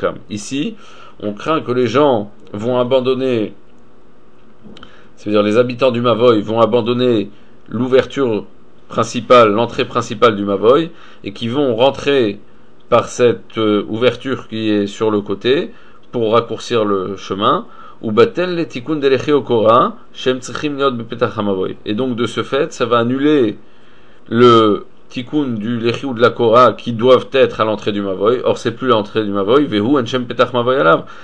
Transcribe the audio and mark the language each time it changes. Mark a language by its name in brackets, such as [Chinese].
[French] Ici, on craint que les gens vont abandonner, c'est-à-dire les habitants du mavoy vont abandonner l'ouverture principale, l'entrée principale du mavoy, et qui vont rentrer par cette ouverture qui est sur le côté pour raccourcir le chemin, [Hebrew] ובטל לתיקון דרכי הוקורה שהם צריכים להיות בפתח המבוי. [French] Et donc de ce fait, ça va annuler le תיקון du לכי ou de la קורה qui doivent être à l'entrée du מבוי. Or c'est plus l'entrée du מבוי, [Hebrew] והוא אין שם פתח מבוי עליו.